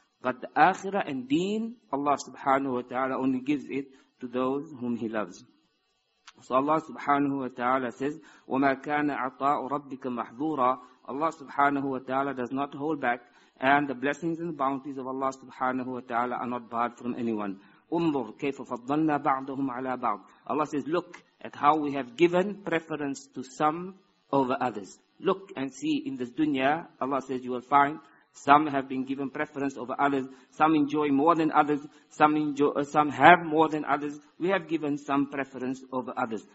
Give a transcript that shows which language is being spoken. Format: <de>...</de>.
<en>But the akhirah and deen, Allah subhanahu wa ta'ala only gives it to those whom he loves. So Allah subhanahu wa ta'ala says,</en> <ar>وَمَا كَانَ عَطَاءُ رَبِّكَ مَحْذُورًا.</ar> <en>Allah subhanahu wa ta'ala does not hold back, and the blessings and the bounties of Allah subhanahu wa ta'ala are not barred from anyone.</en> <ar>انظر كيف فضلنا بعضهم على بعض.</ar> <en>Allah says, look at how we have given preference to some over others. Look and see in this dunya, Allah says, you will find some have been given preference over others. Some enjoy more than others. Some have more than others. We have given some preference over others.</en>